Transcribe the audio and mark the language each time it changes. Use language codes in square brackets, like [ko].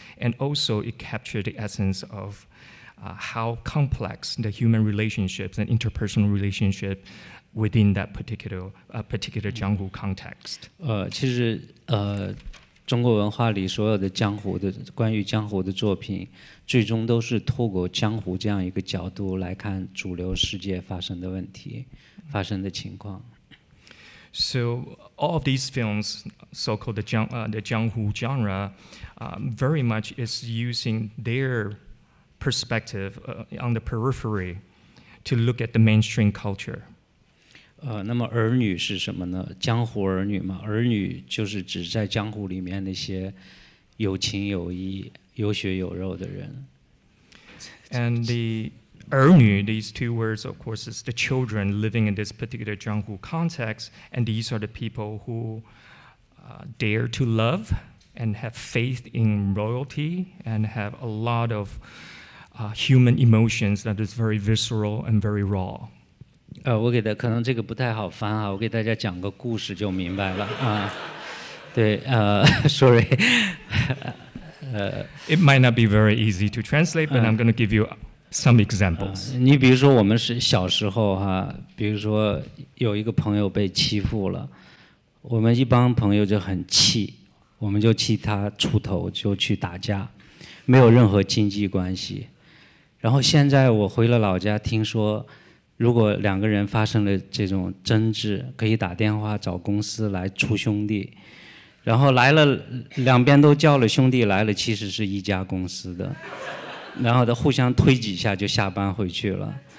[en] And also it captured the essence of how complex the human relationships and interpersonal relationship within that particular Jianghu context. [zh] 其实中国文化里所有的江湖的关于江湖的作品，最终都是透过江湖这样一个角度来看主流世界发生的问题，发生的情况。 [en] So all of these films, so-called the Jianghu genre, very much is using their perspective on the periphery to look at the mainstream culture. [zh] 那么儿女是什么呢？江湖儿女嘛，儿女就是指在江湖里面那些有情有义、有血有肉的人。 [en] And the 儿女, these two words, of course, is the children living in this particular Jianghu context, and these are the people who dare to love and have faith in royalty and have a lot of human emotions that is very visceral and very raw. [zh] 我给的可能这个不太好翻啊，我给大家讲个故事就明白了啊。对， [en] sorry. It might not be very easy to translate, but I'm going to give you some examples. [zh] 你比如说我们是小时候哈，比如说有一个朋友被欺负了，我们一帮朋友就很气，我们就气他出头就去打架，没有任何经济关系。然后现在我回了老家，听说如果两个人发生了这种争执，可以打电话找公司来出兄弟，然后来了两边都叫了兄弟来了，其实是一家公司的，然后他互相推几下就下班回去了。